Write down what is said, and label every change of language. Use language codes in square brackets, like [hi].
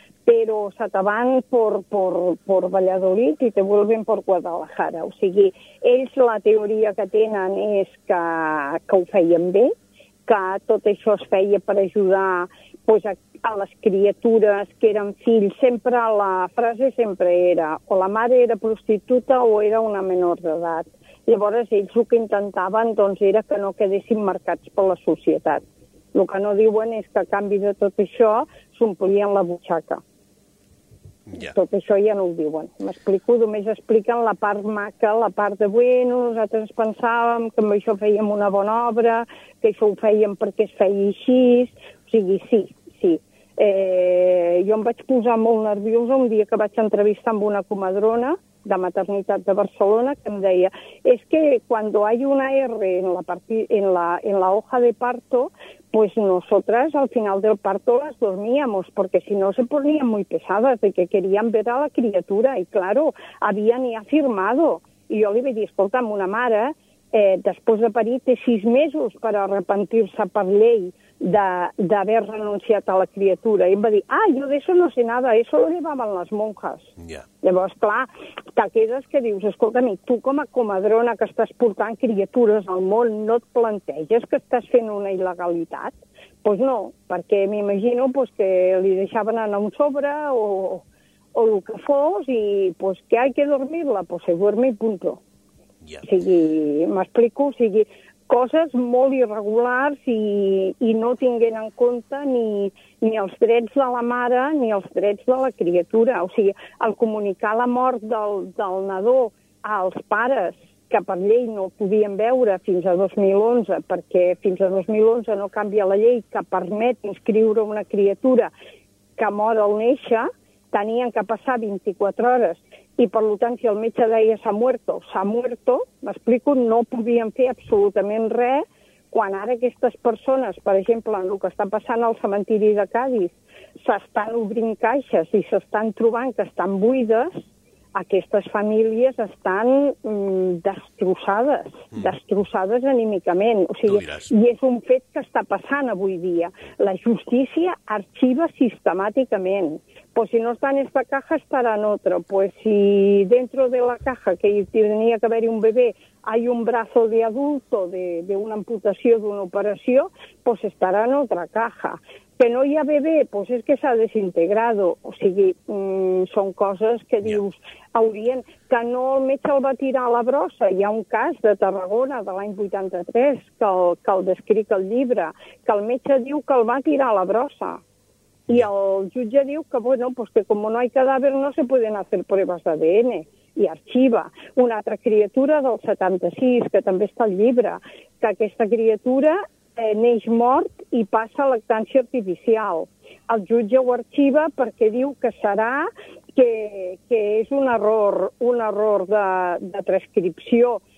[es] Però se te van por Valladolid i te vuelven por Guadalajara. [ca] O sigui, ells la teoria que tenen és que ho feien bé, que tot això es feia per ajudar, pues, a les criatures que eren fills. Sempre la frase sempre era o la mare era prostituta o era una menor d'edat. Llavors ells el que intentaven, doncs, era que no quedessin marcats per la societat. El que no diuen és que a canvi de tot això s'omplien la butxaca. Ja. Tot això ja no ho diuen. M'explico, només expliquen la part maca, la part de, bueno, nosaltres pensàvem que amb això fèiem una bona obra, que això ho fèiem perquè es feia així, o sigui, sí, sí. Jo em vaig posar molt nerviosa un dia que vaig entrevistar amb una comadrona de maternitat de Barcelona que em deia, [es] es que cuando hay una R en la, en la hoja de parto, pues nosotras al final del parto las dormíamos, porque si no se ponían muy pesadas de que querían ver a la criatura, y claro, habían ya firmado. Y yo le dije, [ca] escolta, una mare, [es] después de parir [ca] té 6 mesos per arrepentir-se per llei d'haver renunciat a la criatura. I em va dir, ah, jo d'això no sé nada, això ho llevaven les monjas. Yeah. Llavors, clar, te quedes que dius, escolta, mi, tu com a comadrona que estàs portant criatures al món, no et planteges que estàs fent una il·legalitat? Doncs pues no, perquè m'imagino pues, que li deixaven anar un sobre o el que fos i pues, [es] que hay que dormirla, pues se duerme y punto. Yeah. [ca] O sigui, m'explico, o sigui, coses molt irregulars i no tinguent en compte ni els drets de la mare ni els drets de la criatura. O sigui, el comunicar la mort del nadó als pares, que per llei no podien veure fins a 2011, perquè fins a 2011 no canvia la llei que permet inscriure una criatura que mor al néixer, tenien que passar 24 hores. I, per tant, si el metge deia [es] s'ha muerto, [ca] m'explico, no podien fer absolutament res quan ara aquestes persones, per exemple, en el que està passant al cementiri de Cádiz, s'estan obrint caixes i s'estan trobant que estan buides, aquestes famílies estan destrossades, destrossades anímicament. O sigui, i és un fet que està passant avui dia. La justícia arxiva sistemàticament. [es] Pues si no está en esta caja, estará en otra. Pues si dentro de la caja que tenía que haber un bebé hay un brazo de adulto de una amputació, [ca] d'una operació, [es] pues estará en otra caja. [ca] Que no hi ha bebé, [es] pues es que s'ha desintegrado. [ca] O sigui, són coses que dius, haurien... Que no el metge el va tirar a la brossa. Hi ha un cas de Tarragona de l'any 83 que el descric al llibre, que el metge diu que el va tirar a la brossa. I el jutge diu que, bueno, pues [es] que como no hay cadáver no se pueden hacer pruebas [ca] d'ADN i arxiva. Una altra criatura del 76, que també està al llibre, que aquesta criatura neix mort i passa a lactància artificial. El jutge ho arxiva perquè diu que serà que és un error de transcripció.